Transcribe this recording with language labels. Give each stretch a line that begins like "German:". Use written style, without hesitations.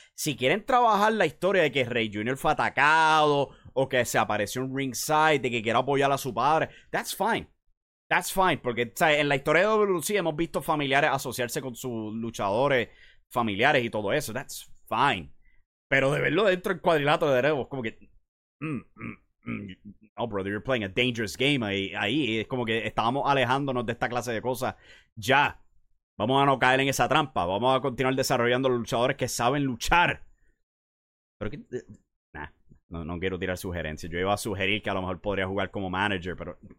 Spanish: Si quieren trabajar la historia de que Rey Jr. fue atacado, o que se apareció en ringside, de que quiera apoyar a su padre,
English: that's fine. That's fine,
Spanish: porque ¿sabes? En la historia de WLC hemos visto familiares asociarse con sus luchadores familiares y todo eso. That's fine. Pero de verlo dentro del cuadrilátero de nuevo, como que...
English: Oh, brother, you're playing a dangerous game
Spanish: ahí. Es como que estábamos alejándonos de esta clase de cosas. Ya, vamos a no caer en esa trampa. Vamos a continuar desarrollando luchadores que saben luchar. Pero que... No quiero tirar sugerencias. Yo iba a sugerir que a lo mejor podría jugar como manager, pero...